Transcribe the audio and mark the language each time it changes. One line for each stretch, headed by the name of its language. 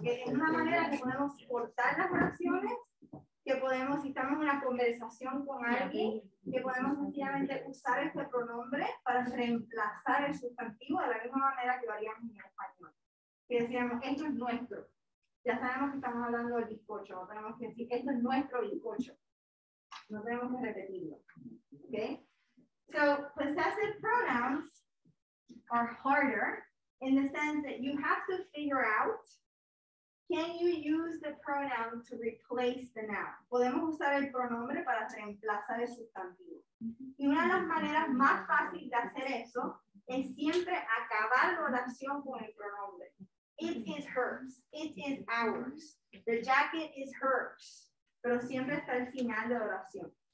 Spanish: Okay, es una manera que podemos cortar las oraciones, que podemos, si estamos en una conversación con alguien, que podemos sencillamente usar este pronombre para reemplazar el sustantivo de la misma manera que lo haríamos en español. Que decíamos, esto es nuestro. Ya sabemos que estamos hablando del bizcocho. No tenemos que decir, esto es nuestro bizcocho. No tenemos que repetirlo. Okay?
English: So, possessive pronouns are harder in the sense that you have to figure out, can you use the pronoun to replace the noun?
Spanish: Podemos usar el pronombre para reemplazar el sustantivo. Y una de las maneras más fáciles de hacer eso es siempre acabar la oración con el pronombre.
English: It is hers. It is ours. The jacket is hers.
Spanish: Pero siempre está el final de oración.